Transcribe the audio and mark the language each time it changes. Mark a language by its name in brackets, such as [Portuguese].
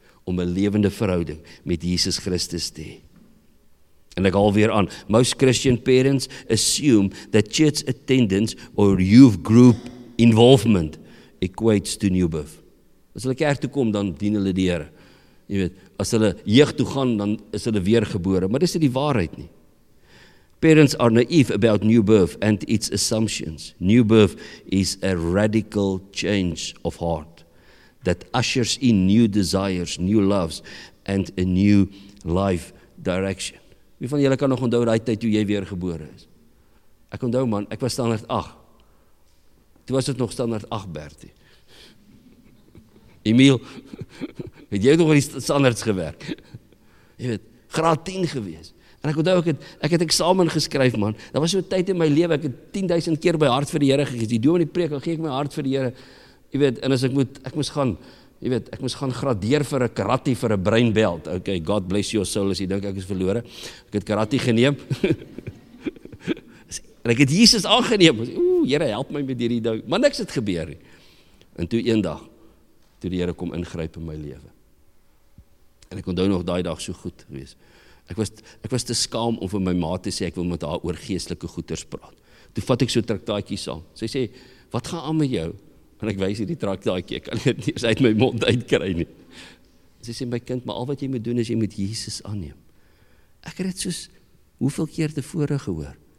[Afrikaans] Om 'n lewende verhouding met Jesus Christus te hê. En ek haal weer aan, [English] most Christian parents assume that church attendance or youth group involvement equates to new birth. [Afrikaans] As hulle kerk toe kom, dan dien hulle die Here. Jy weet, as hulle jeug toe gaan, dan is hulle weergebore. Maar dis nie die waarheid nie. [English] Parents are naive about new birth and its assumptions. New birth is a radical change of heart that ushers in new desires, new loves and a new life direction. [Afrikaans] Wie van julle kan nog onthou daai tyd toe jy weergebore is? Ek onthou man, ek was standaard 8. Toe was dit nog standaard 8 Bertie. Emiel, het jy nog aan die standaards gewerk? Jy weet, graad 10 gewees. En ek onthou, ek het eksamen geskryf, man. Daar was so 'n tyd in my lewe, ek het 10.000 keer by hart vir die Here gegee. Die dominee preek, dan gee ek my hart vir die Here. Jy weet, en as ek moes gaan gradeer vir 'n karate, vir 'n brain belt. [English] Okay, God bless your soul, [Afrikaans] as jy dink ek is verlore. Ek het karate geneem. En ek het Jesus aangeneem. Oeh, Here, help my met hierdie ding. Maar niks het gebeur. En toe een dag, toe die Here kom ingryp in my lewe. En ek onthou nog daai dag so goed gewees. Ek was te skaam om vir my ma te sê, ek wil met haar oor geestelike goeders praat. Toe vat ek so traktaatjie saam. Sy sê, wat gaan aan met jou? En ek wys hierdie traktaatjie, ek kan dit nie uit my mond uitkry nie. Sy sê, my kind, maar al wat jy moet doen, is jy moet Jesus aanneem. Ek het dit soos, hoeveel keer tevore gehoor.